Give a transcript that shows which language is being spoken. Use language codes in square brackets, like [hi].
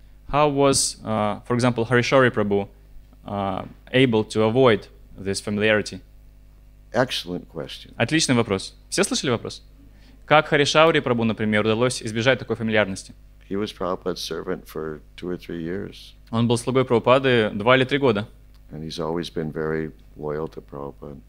[en] How was, for example, Harishori Prabhu able to avoid this familiarity? Excellent question. [ru] Отличный вопрос. Все слышали вопрос? Как Харишаури Прабу, например, удалось избежать такой фамильярности? [en] He was Prabhupada's servant for 2 or 3 years. [ru] Он был слугой Прабхупады 2 или 3 года. [en] And he's always been very loyal to Prabhupada.